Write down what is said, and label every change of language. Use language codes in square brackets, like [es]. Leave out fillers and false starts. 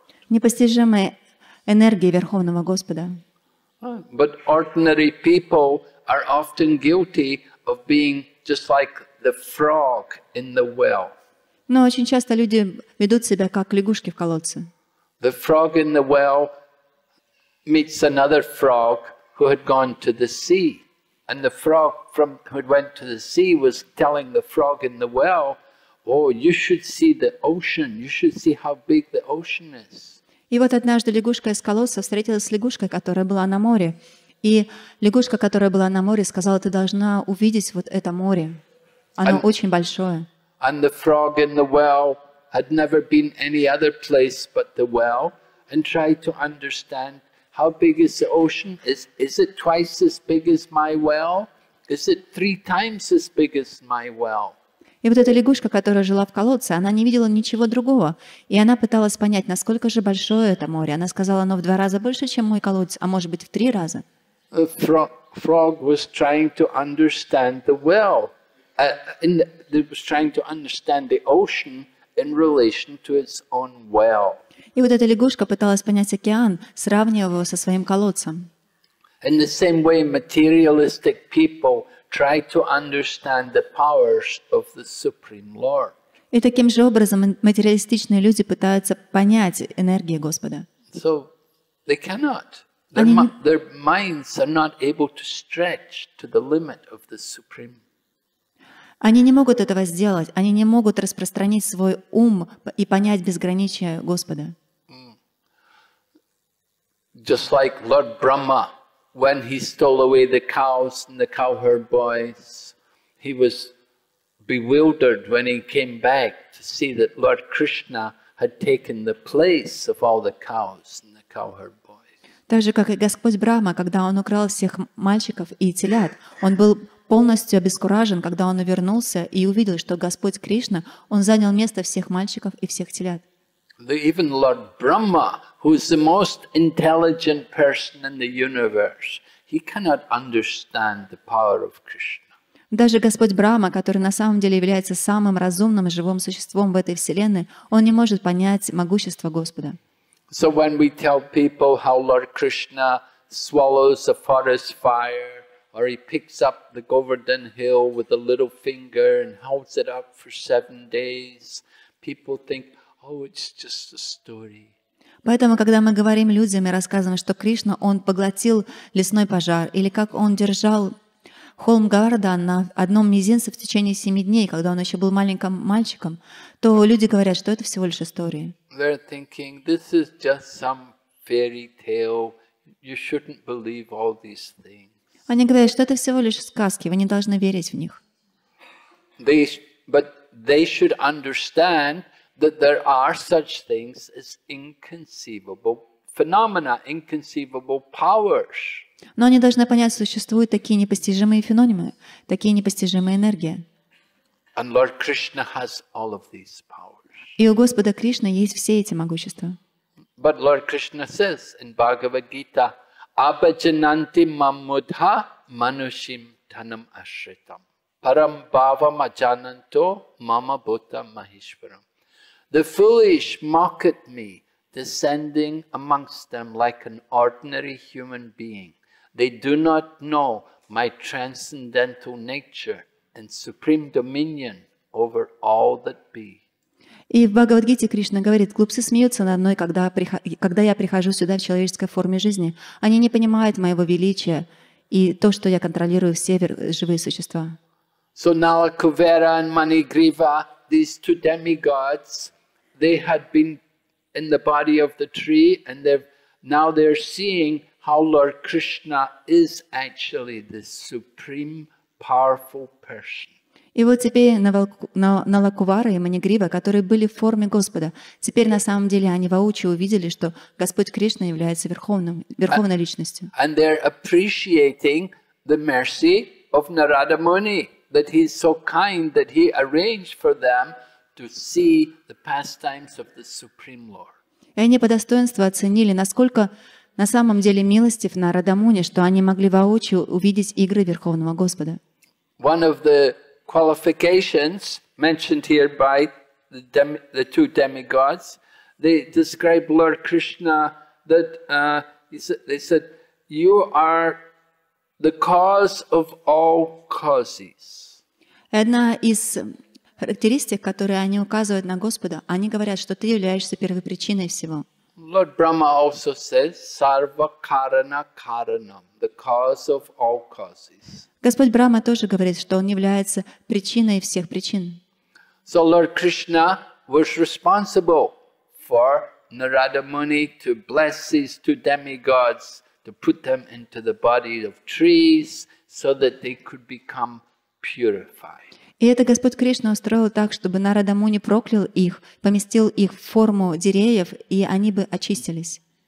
[ru] Непостижимые энергии Верховного Господа. [en] But ordinary people are often guilty of being just like the frog in the well. [ru] Но очень часто люди ведут себя как лягушки в колодце. [en] The frog in the well meets another frog who had gone to the sea, and the frog from who went to the sea was telling the frog in the well, "Oh, you should see the ocean. You should see how big the ocean is." [ru] И вот однажды лягушка из колодца встретилась с лягушкой, которая была на море, и лягушка, которая была на море, сказала: "Ты должна увидеть вот это море. Оно очень большое." [en] And the frog in the well had never been any other place but the well, and tried to understand how big is the ocean? Is it twice as big as my well? Is it three times as big as my well? [ru] И вот эта лягушка, которая жила в колодце, она не видела ничего другого, и она пыталась понять, насколько же большое это море. Она сказала: "Оно в два раза больше, чем мой колодец, а может быть, в три раза." [en] The frog was trying to understand the well. It was trying to understand the ocean in relation to its own well. [ru] И вот эта лягушка пыталась понять океан, сравнивая его со своим колодцем. [en] In the same way, materialistic people try to understand the powers of the Supreme Lord. [ru] И таким же образом материалистичные люди пытаются понять энергии Господа. [en] So they cannot. Their minds are not able to stretch to the limit of the Supreme. [ru] Они не могут этого сделать. Они не могут распространить свой ум и понять безграничие Господа. [en] Just like Lord Brahma, when he stole away the cows and the cowherd boys, he was bewildered when he came back to see that Lord Krishna had taken the place of all the cows and the cowherd boys. [ru] Так же, как и Господь Брахма, когда он украл всех мальчиков и телят, он был полностью обескуражен, когда он вернулся и увидел, что Господь Кришна, он занял место всех мальчиков и всех телят. [en] Even Lord Brahma, who is the most intelligent person in the universe, he cannot understand the power of Krishna. [ru] Даже Господь Брахма, который на самом деле является самым разумным живым существом в этой вселенной, он не может понять могущество Господа. [en] So when we tell people how Lord Krishna swallows a forest fire, or he picks up the Govardhan hill with a little finger and holds it up for 7 days, people think, "Oh, it's just a story." [ru] Поэтому, когда мы говорим людям и рассказываем, что Кришна, он поглотил лесной пожар, или как он держал холм Говардхан на одном мизинце в течение 7 дней, когда он еще был маленьким мальчиком, то люди говорят, что это всего лишь история. [en] They're thinking, "This is just some fairy tale. You shouldn't believe all these things." [ru] Они говорят, что это всего лишь сказки, вы не должны верить в них. [en] But they should understand that there are such things as inconceivable phenomena, inconceivable powers. [ru] Но они должны понять, что существуют такие непостижимые феномены, такие непостижимые энергии. [en] And Lord Krishna has all of these powers. [ru] И у Господа Кришны есть все эти могущества. [en] But Lord Krishna says in Bhagavad Gita, [sa] Абаджананти маммудха манушим танам ашритам. Парамбавам аджананто мама бута махишварам. [en] The foolish mock at me, descending amongst them like an ordinary human being. They do not know my transcendental nature and supreme dominion over all that be. [ru] И в Бхагавадгите Кришна говорит: глупцы смеются надо мной, когда я прихожу сюда в человеческой форме жизни. Они не понимают моего величия и то, что я контролирую все живые существа. [en] So Nalakuvera and Manigriva, these two demigods, they had been in the body of the tree, and they're seeing how Lord Krishna is actually the supreme powerful person. [ru] И вот теперь Налакувара и Манигрива, которые были в форме Господа, теперь на самом деле они воочию увидели, что Господь Кришна является верховной личностью. [en] And they're appreciating the mercy of Narada Muni, that he's so kind that he arranged for them to see the pastimes of the Supreme Lord. [ru] И они по достоинству оценили, насколько на самом деле милостив Нарада Муни, что они могли воочию увидеть игры Верховного Господа. [en] One of the qualifications mentioned here by the two demigods, they describe Lord Krishna that they said, "You are the cause of all causes." [ru] Одна из характеристик, которые они указывают на Господа, они говорят, что ты являешься первопричиной всего. [en] Lord Brahma also says, [sa] "Sarva karana karanam," [en] the cause of all causes. [ru] Господь Брама тоже говорит, что он является причиной всех причин. [en] So Lord Krishna was responsible for Narada Muni to bless these two demigods, to put them into the body of trees, so that they could become purified. [ru] И это Господь Кришна устроил так, чтобы Нарада Муни проклял их, поместил их в форму деревьев, и они бы очистились.